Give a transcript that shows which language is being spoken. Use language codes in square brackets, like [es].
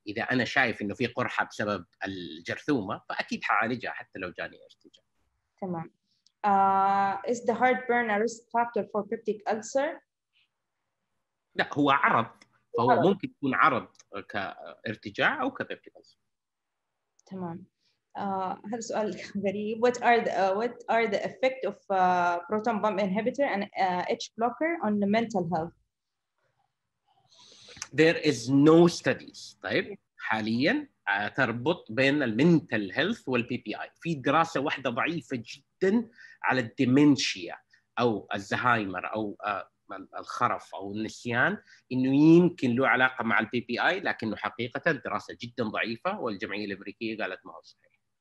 [ar] إذا أنا شايف إنه في قرحة بسبب الجرثومة فأكيد حعالجها حتى لو جاني ارتجاع. تمام. [en] Is the heartburn a risk factor for peptic ulcer؟ [ar] لا، هو عرض، فهو ممكن يكون عرض كارتجاع أو كبيبتيك ألسر. تمام. هذا سؤال غريب. [en] What are the effect of proton pump inhibitor and H blocker on the mental health? There is no studies. [ar] طيب حاليا تربط بين المينتال هيلث والبي بي اي. في دراسة واحدة ضعيفة جدا على الديمنشيا أو الزهايمر أو الخرف أو النسيان، إنه يمكن له علاقة مع البي بي آي، لكنه حقيقة الدراسة جدا ضعيفة والجمعية الأمريكية قالت ما هو صحيح.